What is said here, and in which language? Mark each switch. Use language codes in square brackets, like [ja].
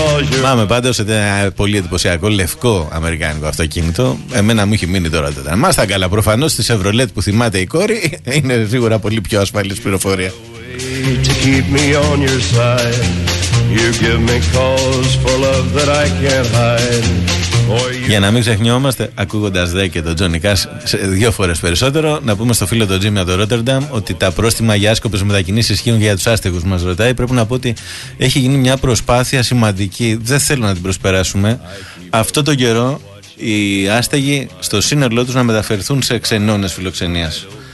[el] Θυμάμαι πάντως ότι ήταν ένα πολύ εντυπωσιακό λευκό αμερικάνικο αυτοκίνητο. Εμένα μου έχει μείνει τώρα το τραν. Mustang, αλλά προφανώς στη Chevrolet που θυμάται η κόρη είναι σίγουρα πολύ πιο ασφαλής πληροφορία. [en] To keep me on your side, you give me cause for love that I can't hide. [el] Για να μην ξεχνιόμαστε, ακούγοντας δε και τον Τζονι Κάς δύο φορές περισσότερο, να πούμε στο φίλο τον Τζίμι από το Ρότερνταμ ότι τα πρόστιμα για άσκοπες μετακινήσεις ισχύουν για τους άστεγους, μας ρωτάει. Πρέπει να πω ότι έχει γίνει μια προσπάθεια σημαντική, δεν θέλω να την προσπεράσουμε. Αυτό το καιρό οι άστεγοι στο σύνολό τους να μεταφερθούν σε ξενώνες φιλοξενίας.